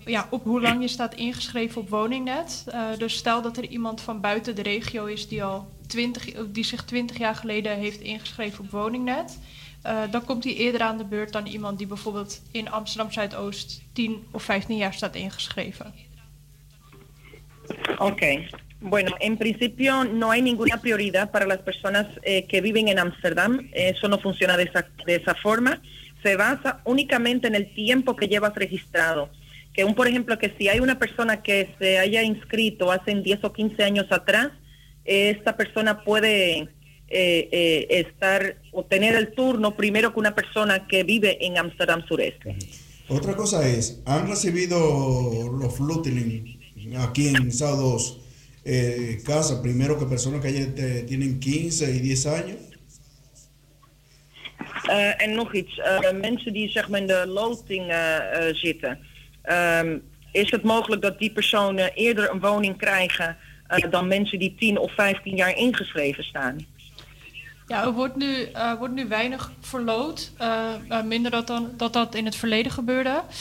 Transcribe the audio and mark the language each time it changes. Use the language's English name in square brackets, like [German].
[Dutch] Op hoe lang je staat ingeschreven op Woningnet. Dus stel dat er iemand van buiten de regio is die zich 20 jaar geleden heeft ingeschreven op Woningnet. Dan komt hij eerder aan de beurt dan iemand die bijvoorbeeld in Amsterdam Zuidoost 10 of 15 jaar staat ingeschreven. Oké. Okay. [Spanish] Bueno, en principio no hay ninguna prioridad para las personas que viven en Amsterdam. Eso no funciona de esa forma. Se basa únicamente en el tiempo que llevas registrado. Que un, por ejemplo, que si hay una persona que se haya inscrito hace 10 o 15 años atrás, esta persona puede estar o tener el turno primero que una persona que vive en Amsterdam Sureste. Otra cosa es, ¿han recibido los flutilin aquí en Sao 2 casa primero que personas que tienen 15 y 10 años? [Dutch] En nog iets, mensen die zeg maar in de loting zitten, is het mogelijk dat die personen eerder een woning krijgen dan mensen die 10 of 15 jaar ingeschreven staan? Ja, er wordt nu weinig verloot, minder dan dat in het verleden gebeurde.